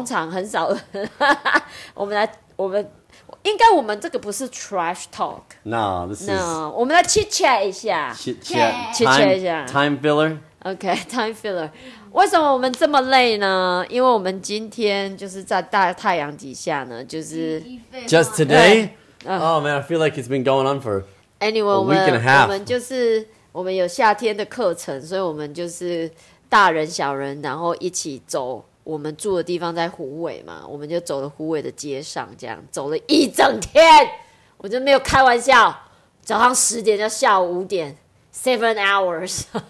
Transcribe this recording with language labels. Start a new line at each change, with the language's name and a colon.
Chinese: 通常很少，我们应该我们这个不是 trash talk.
English: No, this is...
Chinese: No, 我们来
English: chit-chat
Chinese: 一下。
English: Chit-chat
Chinese: 一下。
English: Time filler. Okay, time filler.
Chinese: 为什么我们这么累呢？因为我们今天就是在大太阳底下呢，就是
English: Just today? Oh man, I feel like it's been going on for anyway, a week and a half.
Chinese: 我们有夏天的课程，所以我们就是大人小人，然后一起走。我们住的地方在湖尾嘛，我们就走了湖尾的街上，这样走了一整天，我就没有开玩笑，早上10点到下午5点 ，
English: 7 hours。